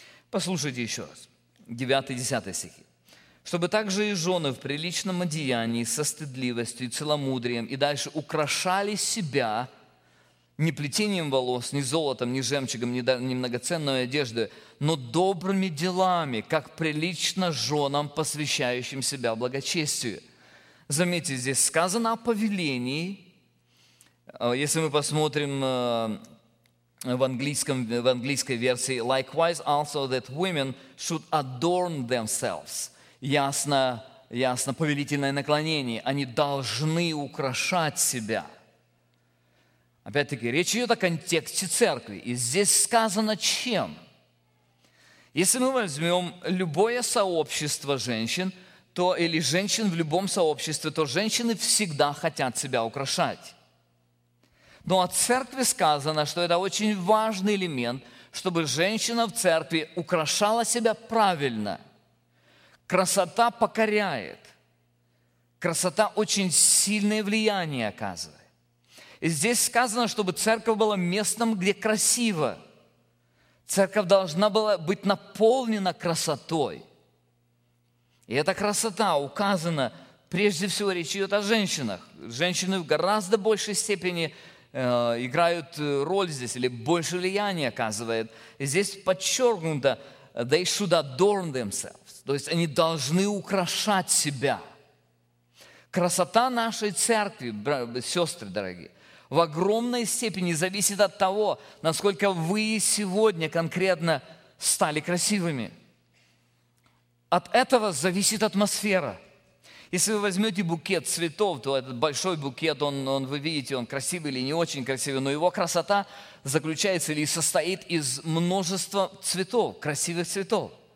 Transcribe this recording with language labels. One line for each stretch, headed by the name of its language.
Russian: Послушайте еще раз, 9-10 стихи. «Чтобы также и жены в приличном одеянии, со стыдливостью и целомудрием, и дальше украшали себя не плетением волос, не золотом, не жемчугом, не многоценной одеждой, но добрыми делами, как прилично женам, посвящающим себя благочестию». Заметьте, здесь сказано о повелении. Если мы посмотрим в английской версии,
English: «Likewise also that women should adorn themselves».
Russian: Ясно, ясно, повелительное наклонение. Они должны украшать себя. Опять-таки, речь идет о контексте церкви. И здесь сказано, чем. Если мы возьмем любое сообщество женщин, то, или женщин в любом сообществе, то женщины всегда хотят себя украшать. Но от церкви сказано, что это очень важный элемент, чтобы женщина в церкви украшала себя правильно. Красота покоряет. Красота очень сильное влияние оказывает. И здесь сказано, чтобы церковь была местом, где красиво. Церковь должна была быть наполнена красотой. И эта красота указана, прежде всего, речь идет о женщинах. Женщины в гораздо большей степени играют роль здесь, или больше влияния оказывает. И здесь подчеркнуто,
English: they should adorn themselves.
Russian: То есть они должны украшать себя. Красота нашей церкви, сестры дорогие, в огромной степени зависит от того, насколько вы сегодня конкретно стали красивыми. От этого зависит атмосфера. Если вы возьмете букет цветов, то этот большой букет, он вы видите, он красивый или не очень красивый, но его красота заключается или состоит из множества цветов, красивых цветов.